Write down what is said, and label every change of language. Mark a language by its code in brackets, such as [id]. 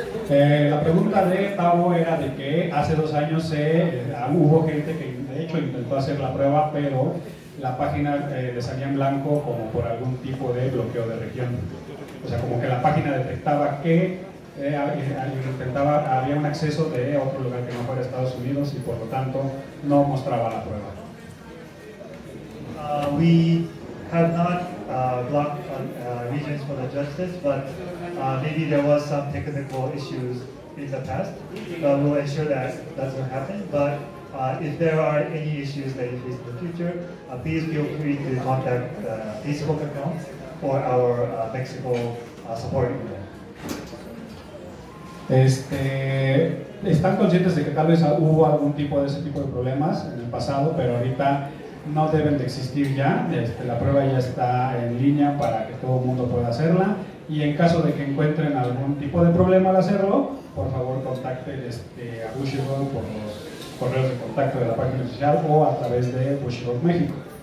[es] La pregunta de Tavo era de que hace dos años hubo gente que de hecho intentó hacer la prueba, pero la página le salía en blanco como por algún tipo de bloqueo de región. O sea, como que la página detectaba que había un acceso de otro lugar que no fuera Estados Unidos y por lo tanto no mostraba la prueba. [en] We have not blocked regions for the justice, but maybe there was some technical issues in the past, but we'll ensure that doesn't happen. But if there are any issues that you face in the future, please feel free to contact the Facebook account or our Mexico support email. [es] Están conscientes de que tal vez hubo algún tipo de ese tipo de problemas en el pasado, pero ahorita no deben de existir ya. La prueba ya está en línea para que todo el mundo pueda hacerla. Y en caso de que encuentren algún tipo de problema al hacerlo, por favor contacten a Bushiroad por los correos de contacto de la página oficial o a través de Bushiroad México.